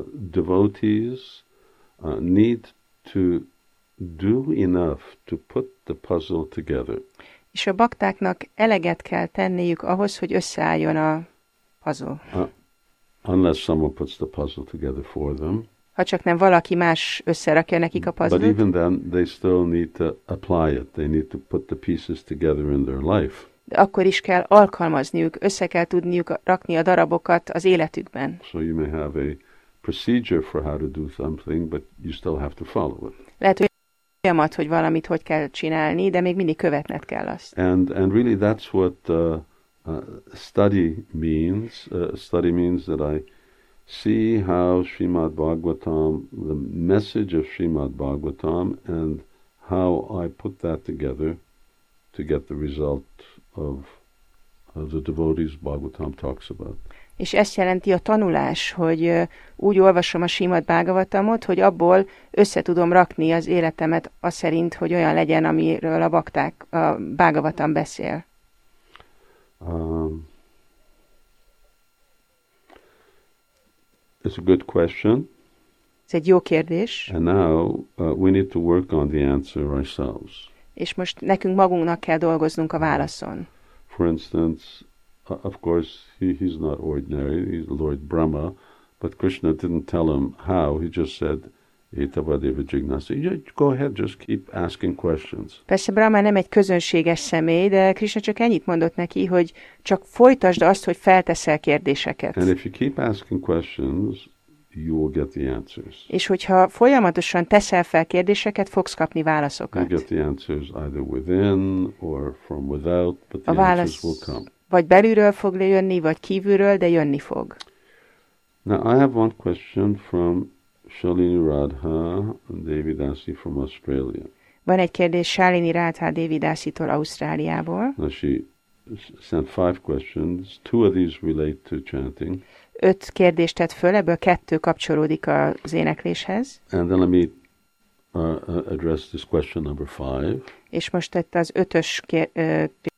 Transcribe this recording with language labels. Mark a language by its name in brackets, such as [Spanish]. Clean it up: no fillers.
[English] Devotees need to do enough to put the puzzle together. [Hungarian] És a baktáknak eleget kell tenniük ahhoz, hogy összeálljon a puzzle. [English] Unless someone puts the puzzle together for them. [Hungarian] Ha csak nem valaki más összerakja nekik a puzzle-t. [English] But even then, they still need to apply it. They need to put the pieces together in their life. [Hungarian] De akkor is kell alkalmazniuk, össze kell tudniuk rakni a darabokat az életükben. [English] So you may have a procedure for how to do something, but you still have to follow it. [Hungarian] Lehet, hogy folyamat, hogy valamit hogy kell csinálni, de még mindig követned kell azt. [English] And really that's what Study means that I see how Srimad Bhagavatam, the message of Srimad Bhagavatam, and how I put that together to get the result of the devotees Bhagavatam talks about. [Hungarian] És ezt jelenti a tanulás, hogy úgy olvasom a Srimad Bhagavatamot, hogy abból össze tudom rakni az életemet az szerint, hogy olyan legyen, amiről a bakták, a Bhagavatam beszél. [English] It's a good question. [Hungarian] Ez egy jó kérdés. [English] And now we need to work on the answer ourselves. [Hungarian] És most nekünk magunknak kell dolgoznunk a válaszon. [English] For instance, of course, he's not ordinary. He's Lord Brahma, but Krishna didn't tell him how. He just said, [Sanskrit] "Etavadeva jignasa." [English] Go ahead, just keep asking questions. [Hungarian] Persze Brahma nem egy közönséges személy, de Krishna csak ennyit mondott neki, hogy csak folytasd azt, hogy felteszel kérdéseket. [English] And if you keep asking questions, you will get the answers. [Hungarian] És hogyha folyamatosan teszel fel kérdéseket, fogsz kapni válaszokat. [English] You get the answers either within or from without, but the answers will come. [Hungarian] Vagy belülről fog lejönni, vagy kívülről, de jönni fog. [English] Now, I have one question from Shalini Radha and Devi Dasi from Australia. [Hungarian] Van egy kérdés Shalini Radha Devi Dasi-tól Ausztráliából. [English] Now, she sent five questions. Two of these relate to chanting. [Hungarian] Öt kérdést tett föl, ebből kettő kapcsolódik az énekléshez. [English] And then let me address this question number five. [Hungarian] És most tett az ötös kérdés.